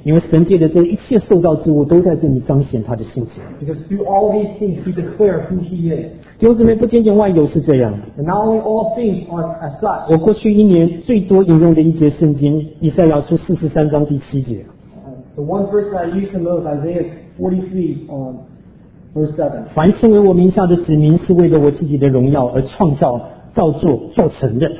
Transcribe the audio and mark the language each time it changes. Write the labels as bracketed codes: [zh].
[zh] 因为神界的这一切受造之物都在这里彰显他的性情。 [en] Because through all these things, he declares who he is. [zh] 弟兄姊妹，不仅仅万有是这样。 [en] And not only all things are as such. [zh] 我过去一年最多引用的一节圣经，以赛亚书四十三章第七节。 [en] The one verse that I use the most, Isaiah 43:7. [zh] 凡称为我名下的子民，是为了我自己的荣耀而创造、造作、做成的。